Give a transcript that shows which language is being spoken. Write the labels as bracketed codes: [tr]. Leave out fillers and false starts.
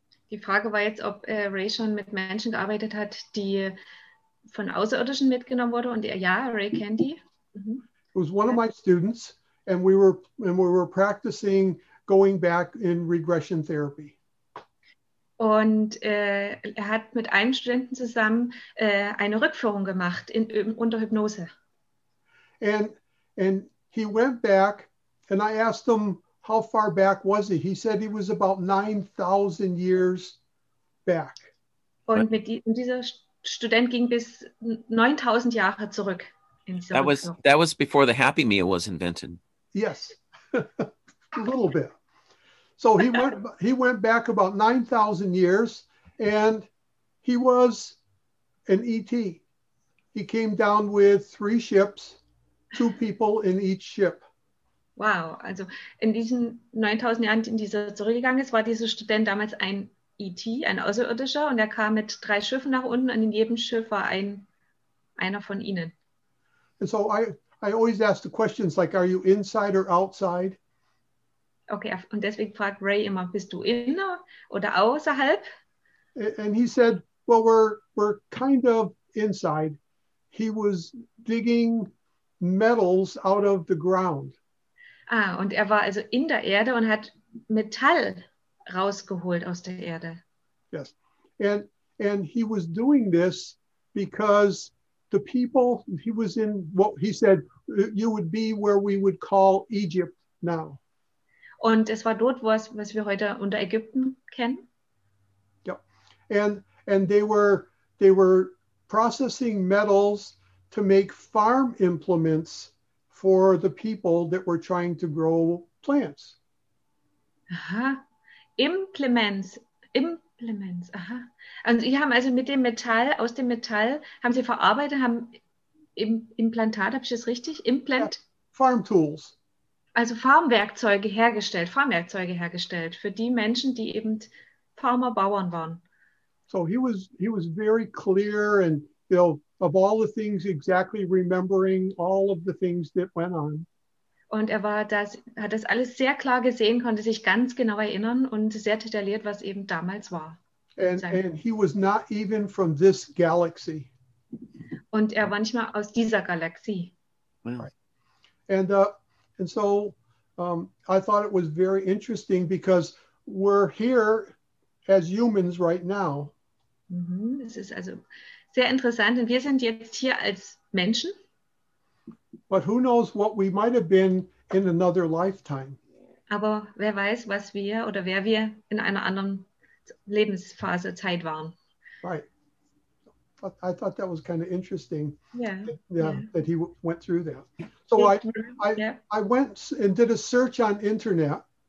[de] Die Frage war jetzt, ob Ray schon mit Menschen gearbeitet hat, die von Außerirdischen mitgenommen wurde, und ja, Ray kennt die. [en] Mm-hmm. It was one of my students, and we were practicing going back in regression therapy. [de] Und er hat mit einem Studenten zusammen eine Rückführung gemacht unter Hypnose. [en] And he went back, and I asked him, how far back was he? He said he was about 9,000 years back. [de] Und dieser Student ging bis 9,000 Jahre zurück. [en] That was before the Happy Meal was invented. Yes, a little bit. So he went back about 9,000 years, and he was an ET. He came down with 3 ships, 2 people in each ship. [de] Wow, also in diesen 9,000 Jahren, in die er zurückgegangen ist, war dieser Student damals ein ET, ein Außerirdischer, und er kam mit 3 Schiffen nach unten, und in jedem Schiff war einer von ihnen. [en] And so I I always ask the questions like, are you inside or outside? [de] Okay, und deswegen fragt Ray immer, bist du inner oder außerhalb? [en] And he said, well, we're kind of inside. He was digging metals out of the ground. [de] Ah, und er war also in der Erde und hat Metall rausgeholt aus der Erde. [en] Yes. And he was doing this because the people, he was in what he said, you would be where we would call Egypt now. [de] Und es war dort, was wir heute unter Ägypten kennen. [en] Yeah. And they were processing metals to make farm implements for the people that were trying to grow plants. Aha. Implements. Aha. [de] Und sie haben also mit dem Metall, aus dem Metall, haben sie verarbeitet, haben Implantat, habe ich das richtig? [en] Implant? Yeah. Farm tools. [de] Also Farmwerkzeuge hergestellt für die Menschen, die eben Farmer, Bauern waren. [en] So he was very clear and, you know, of all the things, exactly remembering all of the things that went on. [de] Und er war das, hat das alles sehr klar gesehen, konnte sich ganz genau erinnern und sehr detailliert, was eben damals war. [en] And he was not even from this galaxy. [de] Und er war nicht mal aus dieser Galaxie. [en] Right. And so I thought it was very interesting because we're here as humans right now. [de] Es ist also sehr interessant, und wir sind jetzt hier als Menschen. [en] But who knows what we might have been in another lifetime? [de] Aber wer weiß, was wir oder wer wir in einer anderen Lebensphase Zeit waren. [en] Right. I thought that was kind of interesting. Yeah. Yeah. That he went through that. So I went and did a search on internet.